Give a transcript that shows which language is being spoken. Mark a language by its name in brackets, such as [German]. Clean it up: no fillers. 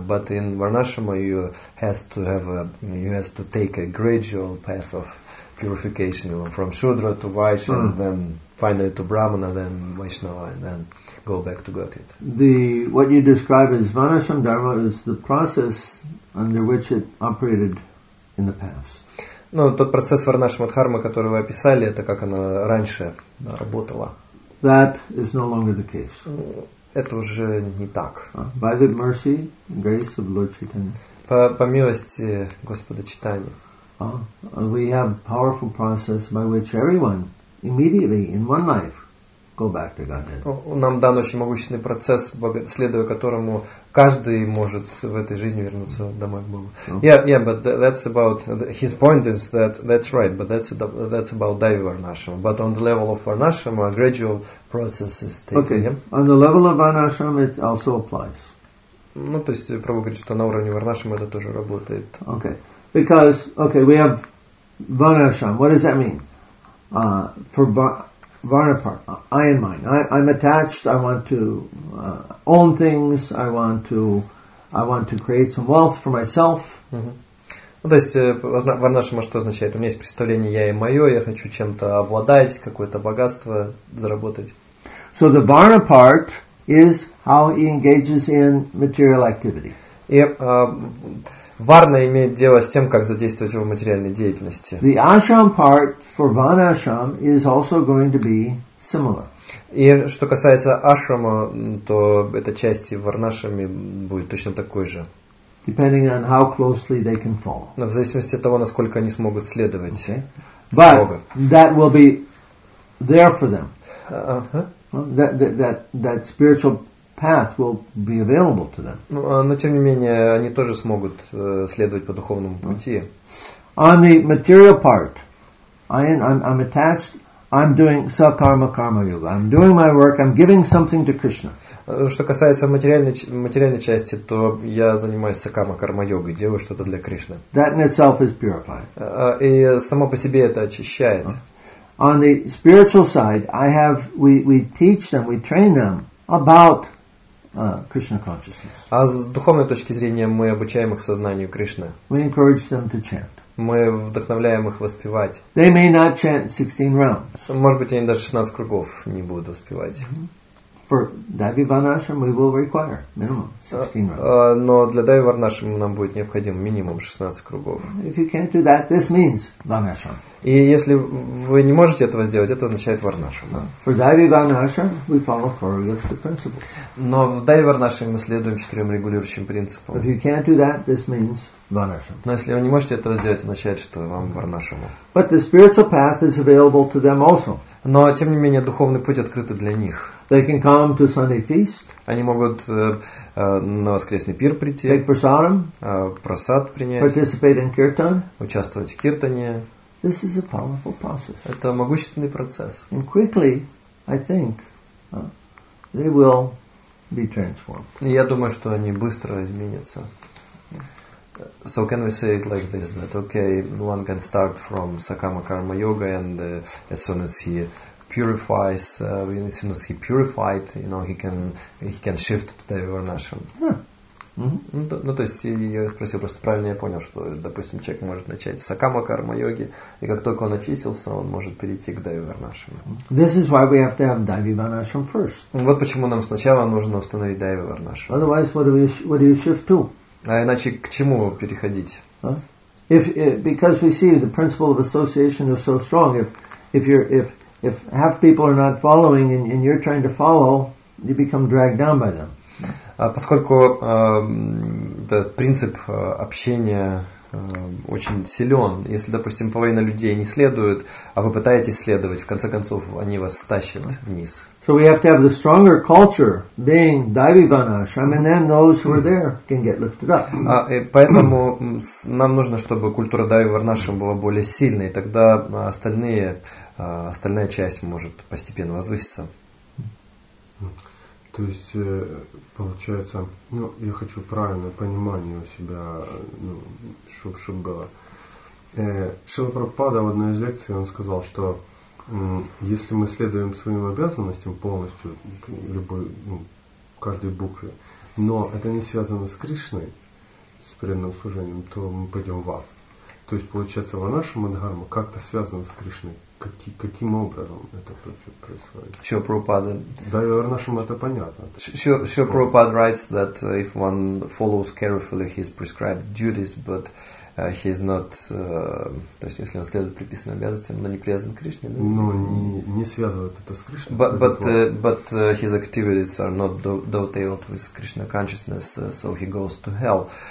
[English] But in Varnashrama you have to take a gradual path of purification, from shudra to vaishya, and then finally to brahmana, then vaishnava, and then go back to Gaudiya. What you describe as Varnashrama dharma is the process under which it operated in the past. [Russian] Ну, тот процесс варнашрама дхармы, который вы описали, это как она раньше работала. [English] That is no longer the case. [Russian] Это уже не так. [English] By the mercy and grace of Lord Chaitanya. [Russian] По милости Господа Читания. [English] We have powerful process by which everyone immediately in one life go back to Godhead. [Russian] Нам дан очень могущественный процесс, следуя которому каждый может в этой жизни вернуться домой к Богу. [English] Yeah, but that's about his point is that that's right, but that's about Devi Varnashrama. But on the level of Varnashrama, a gradual process is taken. Okay. On the level of Varnashrama, it also applies. [Russian] Ну, то есть Прабху говорит, что на уровне Варнашрама это тоже работает. [English] Okay. Because we have Varnashrama. What does that mean? For Varnapart, I in mind. I'm attached. I want to own things. I want to create some wealth for myself. Mm-hmm. [Russian] Ну, то есть Варнашрама что означает? У меня есть представление я и мое. Я хочу чем-то обладать, какое-то богатство заработать. [English] So the Varnapart is how he engages in material activity. [Russian] Варна имеет дело с тем, как задействовать его в материальной деятельности. [English] The ashram part for Varnashram is also going to be similar. [Russian] И что касается ашрама, то эта часть в Варнашраме будет точно такой же. [English] Depending on how closely they can follow. [Russian] Но в зависимости от того, насколько они смогут следовать. [English] Okay. But [Russian] Бога. [English] That will be there for them. That spiritual path will be available to them. [Russian] Но тем не менее они тоже смогут следовать по духовному пути. [English] On the material part, I'm attached. I'm doing sakarma karma yoga. I'm doing my work. I'm giving something to Krishna. [Russian] Что касается материальной части, то я занимаюсь сакарма карма йогой, делаю что-то для Кришны. [English] That in itself is purifying. [Russian] И само по себе это очищает. [English] On the spiritual side, I have we teach them, we train them about Krishna consciousness. [Russian] А с духовной точки зрения мы обучаем их сознанию Кришны. [English] We encourage them to chant. [Russian] Мы вдохновляем их воспевать. [English] They may not chant 16 rounds. [Russian] Может быть, они даже 16 кругов не будут воспевать. Mm-hmm. [English] For Devi Varnashrama we will require minimum 16 rounds. [Russian] Но для Devi Varnashrama нам будет необходим минимум 16 кругов. [English] If you can't do that, this means Varnashrama. [Russian] И если вы не можете этого сделать, это означает Варнашрама. [English] For Devi Varnashrama we follow four regulative principles. [Russian] Но в Devi Varnashrama мы следуем четырем регулирующим принципам. [English] If you can't do that, this means Varnashrama. [Russian] Но если вы не можете этого сделать, означает, что вам Варнашрама. [English] But the spiritual path is available to them also. [Russian] Но тем не менее духовный путь открыт для них. [English] They can come to Sunday feast. [Russian] Они могут на воскресный пир прийти. [English] Take prasadam. [Russian] Прасад принять. [English] Participate in kirtan. [Russian] Участвовать в киртане. [English] This is a powerful process. [Russian] Это могущественный процесс. [English] And quickly, I think, they will be transformed. [Russian] Я думаю, что они быстро изменятся. [English] So can we say it like this, that okay, one can start from Sakama Karma Yoga and as soon as he purifies, as soon as he purified, he can shift to Devi Varnashrama. Mm-hmm. [Russian] Ну, то есть, я спросил, просто правильно я понял, что, допустим, человек может начать с акама карма йоги, и как только он очистился, он может перейти к Дайви Варнашраме. [English] This is why we have to have Дайви Варнашрама first. [Russian] Вот почему нам сначала нужно установить Дайви Варнашрама. [English] Otherwise, what do you shift to? [Russian] А иначе к чему переходить? [English] Because we see the principle of association is so strong. If half people are not following and you're trying to follow, you become dragged down by them. [Russian] поскольку этот принцип общения очень силен. Если, допустим, половина людей не следует, а вы пытаетесь следовать, в конце концов, они вас стащат вниз. So we have to have the stronger culture, being Daivivana, Ashram, and then those who are there can get lifted up. Поэтому нам нужно, чтобы культура Даививарнашрам была более сильной, тогда остальная часть может постепенно возвыситься. То есть, получается, ну, я хочу правильное понимание у себя, ну, чтобы было. Шрила Прабхупада в одной из лекций, он сказал, что если мы следуем своим обязанностям полностью, любой, ну, каждой букве, но это не связано с Кришной, с преданным служением, то мы пойдем в ад. То есть, получается, Ванаша Мадхарма как-то связана с Кришной. Каким образом это происходит? Шрила Прабхупада. Да, и Варнашрам это понятно. [English] Шрила Прабхупада writes that if one follows carefully his prescribed duties, but he is not, [Russian] то есть если он следует предписанным обязанностям, но не привязан к Кришне, да? Но не связывает это с Кришной. [English] But his activities are not dovetailed with Krishna consciousness, so he goes to hell.